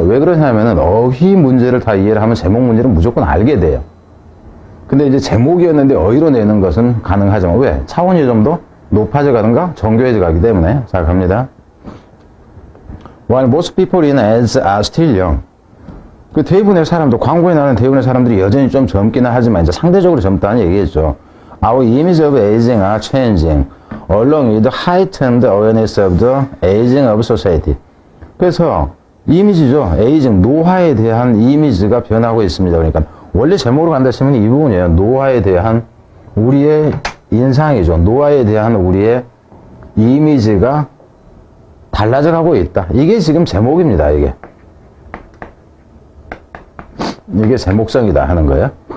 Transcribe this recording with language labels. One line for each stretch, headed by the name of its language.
Korean: 왜 그러냐면은 어휘 문제를 다 이해를 하면 제목 문제를 무조건 알게 돼요. 근데 이제 제목이었는데 어휘로 내는 것은 가능하지만 왜? 차원이 좀 더 높아져 가든가 정교해져 가기 때문에. 자, 갑니다.
English: While most people in ads are still young.
Korean: 그 대부분의 사람도 광고에 나오는 대부분의 사람들이 여전히 좀 젊기는 하지만 이제 상대적으로 젊다는 얘기겠죠.
English: Our image of aging are changing along with the heightened awareness of the aging of society.
Korean: 그래서 이미지죠. 에이징, 노화에 대한 이미지가 변하고 있습니다. 그러니까 원래 제목으로 간다 치면 이 부분이에요. 노화에 대한 우리의 인상이죠. 노화에 대한 우리의 이미지가 달라져가고 있다. 이게 지금 제목입니다. 이게 제목성이다 하는 거예요.